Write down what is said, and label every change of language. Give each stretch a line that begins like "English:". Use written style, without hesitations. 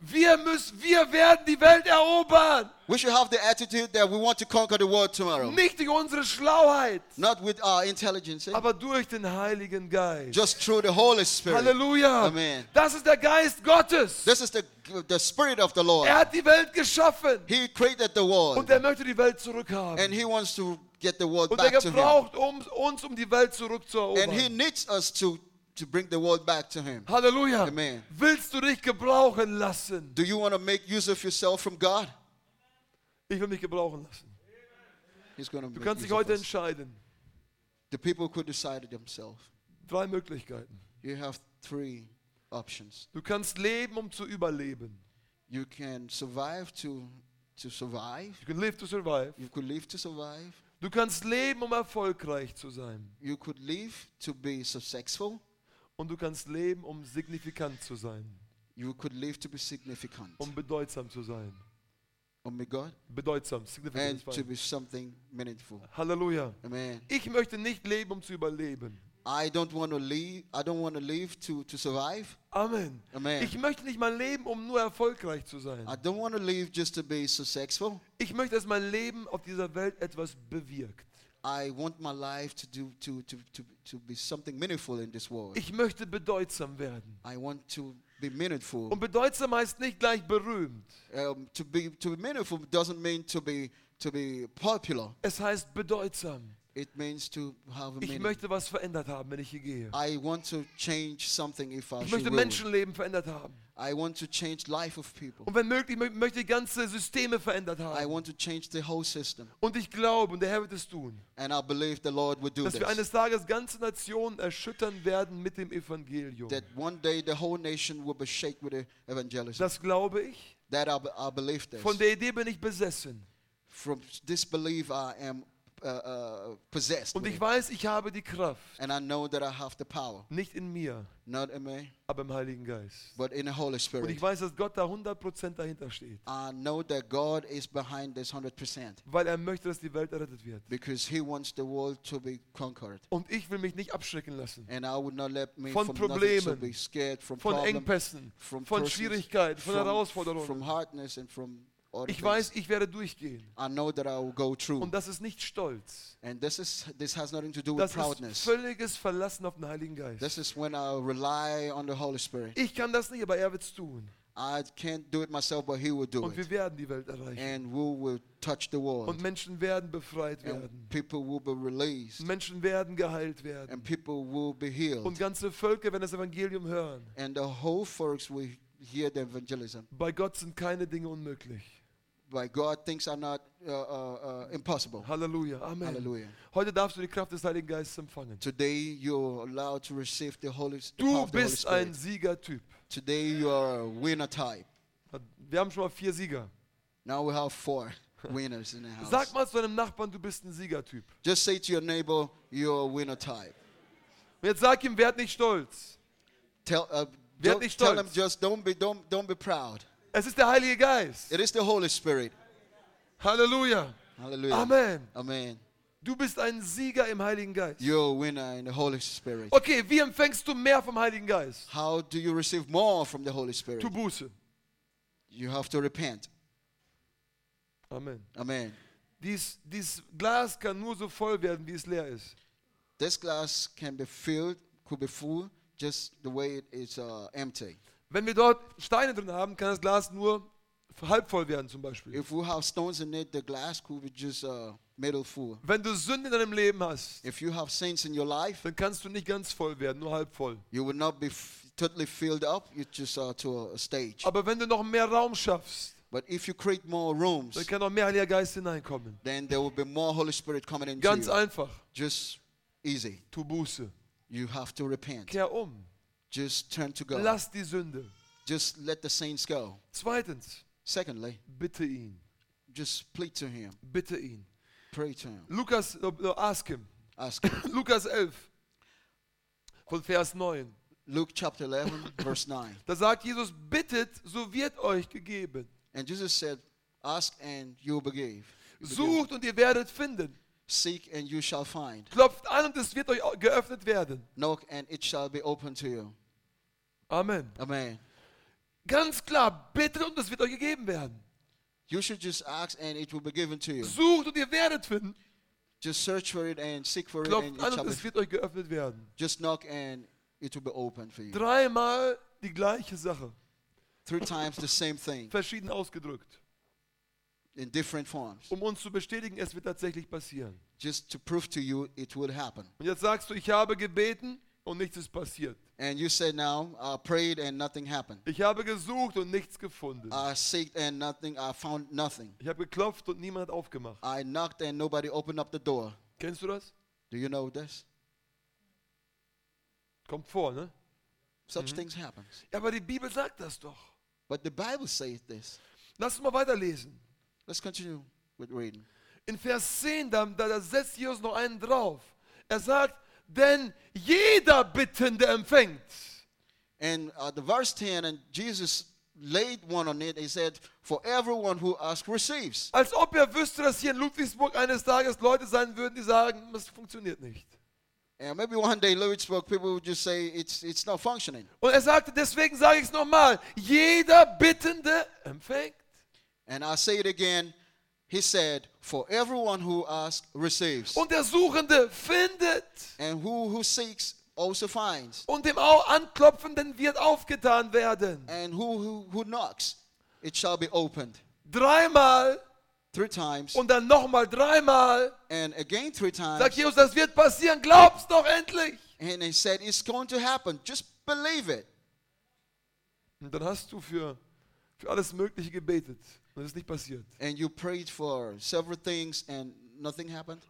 German: Wir werden die Welt erobern.
English: We should have the attitude that we want to conquer the world tomorrow.
German: Nicht durch unsere Schlauheit.
English: Not with our intelligence.
German: Aber durch den Heiligen Geist.
English: Just through the Holy Spirit. Hallelujah. Amen.
German: Das ist der Geist Gottes.
English: This is the Spirit of the Lord.
German: Er hat die Welt geschaffen.
English: He created the world.
German: Und er möchte die Welt zurückhaben.
English: And he wants to get the world
German: und
English: back to
German: him. Und er braucht uns, um die Welt zurückzuerobern.
English: And he needs us to bring the world back to him. Hallelujah. Amen.
German: Willst du dich gebrauchen lassen?
English: Do you want to make use of yourself from God?
German: Ich will mich gebrauchen lassen.
English: He's going to
German: du kannst dich heute entscheiden.
English: The people could decide themselves.
German: Drei Möglichkeiten.
English: You have three options. Du kannst leben, um zu überleben. You can survive to survive. You can live to survive. You could live to survive.
German: Du kannst leben, um erfolgreich zu sein.
English: You could live to be successful.
German: Und du kannst leben, um signifikant zu sein.
English: You could live to be significant.
German: Um bedeutsam zu sein.
English: Oh my God.
German: Bedeutsam, significant.
English: And to be something meaningful. Hallelujah. Amen.
German: Ich möchte nicht leben, um zu überleben.
English: I don't want to live to survive. Amen. Amen.
German: Ich möchte nicht mein Leben, um nur erfolgreich zu sein.
English: I don't want to live just to be successful.
German: Ich möchte, dass mein Leben auf dieser Welt etwas bewirkt.
English: I want my life to be something meaningful in this world.
German: Ich möchte bedeutsam werden.
English: I want to be meaningful.
German: Und bedeutsam heißt nicht gleich berühmt.
English: To be meaningful doesn't mean to be popular.
German: Es heißt bedeutsam.
English: It means to have a meaning.
German: Ich möchte was verändert haben, wenn ich hier gehe.
English: I want to change something if I
German: Ich möchte Menschenleben verändert haben.
English: I want to change life of people.
German: Und wenn möglich möchte ich ganze Systeme verändert haben.
English: I want to change the whole system.
German: Und ich glaube und der Herr wird es tun.
English: And I believe the Lord will do this.
German: Dass wir eines Tages ganze Nationen erschüttern werden mit dem Evangelium.
English: That one day the whole nation will be shaken with the evangelism.
German: Das glaube ich.
English: That I believe this.
German: Von der Idee bin ich besessen.
English: From this belief I am possessed.
German: Und ich weiß, ich habe die Kraft.
English: And I know that I have the power.
German: Nicht in mir.
English: Not in me.
German: Aber im Heiligen Geist.
English: But in the Holy Spirit.
German: Und ich weiß, dass Gott da 100% dahinter steht.
English: I know that God is behind this 100%.
German: Weil er möchte, dass die Welt errettet wird.
English: Because he wants the world to be conquered.
German: Und ich will mich nicht abschrecken lassen.
English: And I would not let me
German: von Problemen,
English: be scared from
German: von
English: problem,
German: Engpässen,
English: from
German: von Schwierigkeiten, von Herausforderungen.
English: From hardness and from
German: Ich weiß, ich werde durchgehen.
English: I know that I will go through.
German: Und das ist nicht stolz.
English: And this has nothing to do with proudness.
German: Das ist völliges Verlassen auf den Heiligen Geist.
English: This is when I rely on the Holy Spirit.
German: Ich kann das nicht, aber er wird es tun.
English: I can't do it myself, but he will do it.
German: Und wir werden die Welt erreichen.
English: And we will touch the world.
German: Und Menschen werden befreit werden.
English: And people will be released.
German: Menschen werden geheilt werden.
English: And people will be healed.
German: Und ganze Völker werden das Evangelium hören.
English: And the whole folks will hear the evangelism.
German: Bei Gott sind keine Dinge unmöglich.
English: By God, things are not impossible. Hallelujah. Amen. Hallelujah.
German: Heute darfst du die Kraft des Heiligen Geistes empfangen.
English: Today you're allowed to receive the Holy
German: Spirit. Du bist ein Siegertyp.
English: Today you are a winner type.
German: Wir haben schon mal vier Sieger.
English: Now we have four winners in the house.
German: Sag mal zu deinem Nachbarn, du bist ein Siegertyp.
English: Just say to your neighbor, you're a winner type.
German: Und jetzt sag ihm, werd nicht stolz. Werd nicht stolz.
English: Tell him just don't be proud.
German: Es ist der Heilige Geist.
English: It is the Holy Spirit.
German: Halleluja. Halleluja. Amen. Amen. Du bist ein Sieger im Heiligen Geist.
English: You're a winner in the Holy Spirit.
German: Okay, wie empfängst du mehr vom Heiligen Geist?
English: How do you receive more from the Holy Spirit?
German: Tu Buße.
English: You have to repent. Amen. Amen.
German: Dies Glas kann nur so voll werden, wie es leer ist.
English: This glass can be filled, could be full, just the way it is empty.
German: Wenn wir dort Steine drin haben, kann das Glas nur halb voll werden, zum Beispiel.
English: If we have stones in it, the glass could be just middle full.
German: Wenn du Sünde in deinem Leben hast,
English: if you have sins in your life,
German: dann kannst du nicht ganz voll werden, nur halb voll.
English: You will not be totally filled up, you just to a stage.
German: Aber wenn du noch mehr Raum schaffst,
English: but if you create more rooms,
German: dann kann noch mehr Heiliger Geist hineinkommen.
English: Then there will be more Holy Spirit coming into you.
German: Ganz einfach.
English: Just easy.
German: Tu Buße.
English: You have to repent.
German: Kehr um.
English: Just turn to God.
German: Lass die Sünde.
English: Just let the saints go.
German: Zweitens.
English: Secondly.
German: Bitte ihn.
English: Just plead to him.
German: Bitte ihn.
English: Pray to him. Lukas, ask him. Ask him.
German: Lukas 11, von Vers 9.
English: Luke chapter 11, verse 9.
German: Da sagt Jesus, bittet, so wird euch gegeben.
English: And Jesus said, ask and you will be given.
German: Sucht und ihr werdet finden.
English: Seek and you shall find.
German: Klopft an und es wird euch geöffnet werden.
English: Knock and it shall be opened to you. Amen. Amen.
German: Ganz klar, bittet und es wird euch gegeben werden.
English: You should just ask and it will be given to you.
German: Sucht und ihr werdet finden.
English: Just search for it and seek for it.
German: Klopft an und es wird euch geöffnet werden.
English: Just knock and it will be opened for you.
German: Dreimal die gleiche Sache.
English: Three times the same thing.
German: Verschieden ausgedrückt.
English: In different forms.
German: Um uns zu bestätigen, es wird tatsächlich passieren.
English: Just to prove to you, it will happen.
German: Und jetzt sagst du, ich habe gebeten und nichts ist passiert.
English: And you say now, I prayed and nothing happened.
German: Ich habe gesucht und nichts gefunden.
English: I seeked and nothing, I found nothing.
German: Ich habe geklopft und niemand hat aufgemacht.
English: I knocked and nobody opened up the door.
German: Kennst du das?
English: Do you know this?
German: Kommt vor, ne?
English: Such things happen.
German: Ja, aber die Bibel sagt das doch.
English: But the Bible says this.
German: Lass uns mal weiterlesen.
English: Let's continue with reading.
German: In Vers 10, da setzt Jesus noch einen drauf. Er sagt, denn jeder Bittende empfängt.
English: And the verse 10, and Jesus laid one on it. He said, for everyone who asks, receives.
German: Als ob er wüsste, dass hier in Ludwigsburg eines Tages Leute sein würden, die sagen, das funktioniert nicht.
English: And maybe one day in Ludwigsburg, people would just say, it's not functioning.
German: Und er sagte, deswegen sage ich es nochmal, jeder Bittende empfängt.
English: And I say it again, he said, for everyone who asks, receives.
German: Und der Suchende findet.
English: And who seeks, also finds.
German: Und dem auch Anklopfenden wird aufgetan werden.
English: And who knocks, it shall be opened.
German: Dreimal
English: three times.
German: Und dann nochmal dreimal.
English: And again three times.
German: Sagt Jesus, das wird passieren. Glaub's doch endlich.
English: And he said, it's going to happen. Just believe it.
German: Und dann hast du für alles Mögliche gebetet. Und es ist nicht passiert.
English: And you prayed for several things and nothing happened.